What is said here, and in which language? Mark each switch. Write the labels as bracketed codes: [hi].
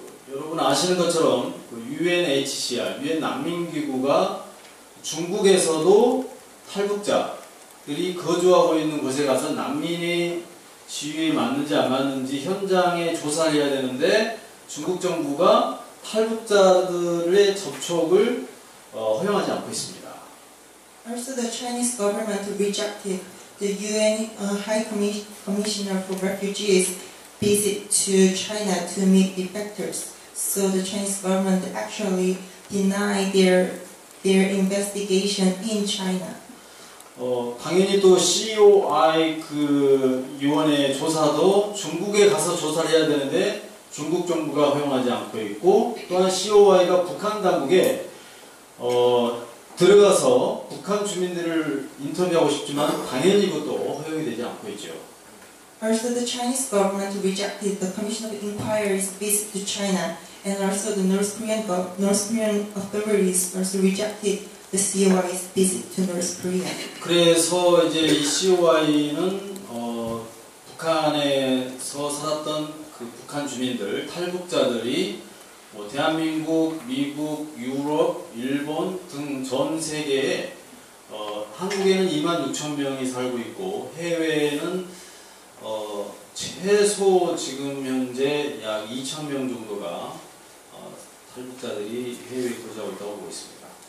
[ko] 여러분 아시는 것처럼 UNHCR, UN 난민기구가 중국에서도 탈북자들이 거주하고 있는 곳에 가서 난민의 지위에 맞는지 안 맞는지 현장에 조사를 해야 되는데 중국 정부가 탈북자들의 접촉을 허용하지 않고 있습니다. [en] Also, the Chinese government rejected the UN High Commissioner for Refugees' visit to China to meet defectors, So the Chinese government actually denied their investigation in China. [ko] 당연히 또 COI 그 요원의 조사도 중국에 가서 조사를 해야 되는데 중국 정부가 허용하지 않고 있고 또한 COI가 북한 당국에 들어가서 북한 주민들을 인터뷰하고 싶지만 당연히 그것도 허용이 되지 않고 있죠. [en] Also the Chinese government rejected the Commission of Inquiry's visit to China and also the North Korean authorities also rejected the COI's visit to North Korea. [ko] 그래서 이제 이 COI는 북한에서 살았던 그 북한 주민들, 탈북자들이 뭐 대한민국, 미국, 유럽, 일본 등 전 세계에 한국에는 2만 6천 명이 살고 있고 해외에는 최소 지금 현재 약 2천 명 정도가 탈북자들이 해외에 거주하고 있다고 보고 있습니다.